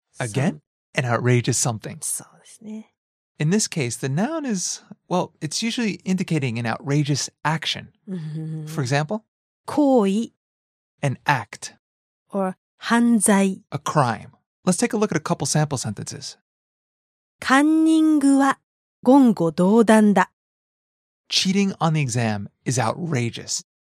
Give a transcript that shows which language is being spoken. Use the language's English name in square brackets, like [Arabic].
[English] again, an outrageous something. [Japanese] そうですね。 [English] In this case, the noun is, well, it's usually indicating an outrageous action. For example, [Japanese] 行為, [English] an act. [Japanese] Or 犯罪, [English] a crime. Let's take a look at a couple sample sentences. [Japanese] カンニングは言語道断だ。 [English] Cheating on the exam is outrageous.